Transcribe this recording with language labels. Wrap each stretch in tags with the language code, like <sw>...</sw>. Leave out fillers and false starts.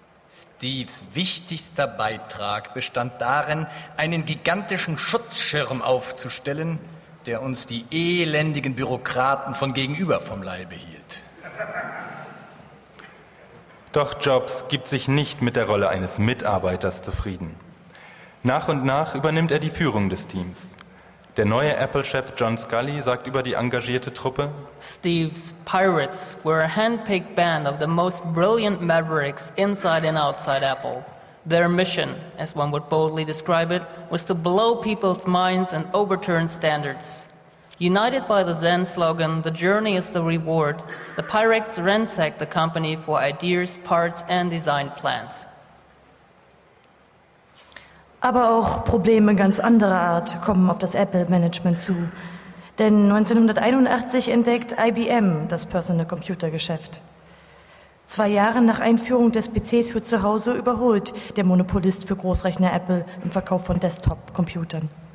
<de>Steves wichtigster Beitrag bestand darin, einen gigantischen Schutzschirm aufzustellen, der uns die elendigen Bürokraten von gegenüber vom Leibe hielt. Doch Jobs gibt sich nicht mit der Rolle eines Mitarbeiters zufrieden. Nach und nach übernimmt er die Führung des Teams. Der neue Apple-Chef John Sculley sagt über die engagierte Truppe:</de> <en>Steve's Pirates were a handpicked band of the most brilliant mavericks inside and outside Apple. Their mission, as one would boldly describe it, was to blow people's minds and overturn standards. United by the Zen slogan, the journey is the reward, the Pyrex ransacked the company for ideas, parts and design plans.</en> <de>Aber auch Probleme ganz anderer Art kommen auf das Apple-Management zu. Denn 1981 entdeckt IBM das Personal Computer-Geschäft. 2 Jahre nach Einführung des PCs für zu Hause überholt der Monopolist für Großrechner Apple im Verkauf von Desktop-Computern.</de>